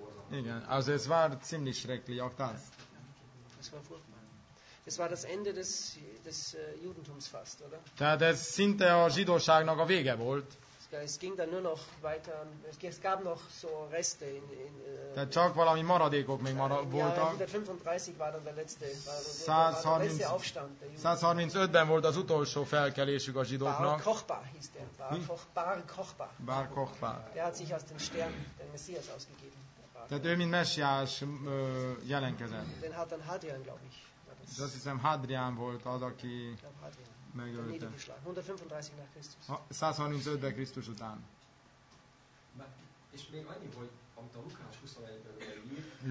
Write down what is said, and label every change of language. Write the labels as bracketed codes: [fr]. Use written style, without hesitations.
[de] Igen. Also es war ziemlich schrecklich auch das. Es war furchtbar. Es war das Ende des Judentums fast, oder? [hu] Tehát ez szinte a zsidóságnak a vége volt. [de] Es ging dann nur noch weiter. Es gab noch so Reste [hu] Tehát csak valami maradékok még voltak. [de] 135 war dann der letzte. 130. Aufstand. [hu] 135-ben volt az utolsó felkelésük a zsidóknak. [de] Bar Kochba hieß der. Bar Kochba. Der hat sich aus den Sternen den Messias ausgegeben. [hu] Tehát ő mint messiás jelenkezett. [de] Den hat dann Hadrian, glaube ich. [hu] Das ist ein Hadrian volt az, aki megölte. 135-ben Krisztus után. És még annyi, hogy amit a Lukács 21-ben